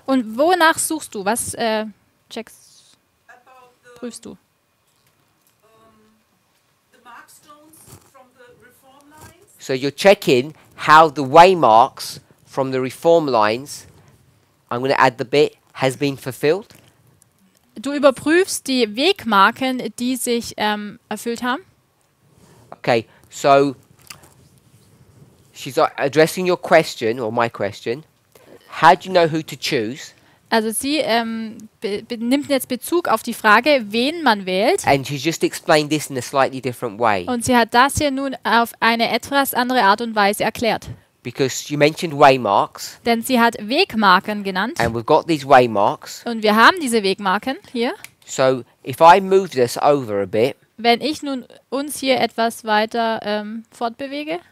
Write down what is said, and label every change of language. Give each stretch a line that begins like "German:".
German: Und wonach suchst du? Was checkst? Prüfst du?
English: The markstones from the reform lines. So you're checking how the waymarks from the reform lines. I'm going to add the bit has been fulfilled.
German: Du überprüfst die Wegmarken, die sich erfüllt haben.
English: Okay, so she's addressing your question or my question. How do you know who to choose?
German: also sie nimmt jetzt Bezug auf die Frage, wen man wählt.
English: And she just explained this in a slightly different way.
German: Und sie hat das hier nun auf eine etwas andere Art und Weise erklärt.
English: Because you mentioned waymarks.
German: Denn sie hat Wegmarken genannt.
English: And we've got these waymarks.
German: Und wir haben diese Wegmarken hier.
English: So if I move this over a bit.
German: Wenn ich nun uns hier etwas weiter fortbewege.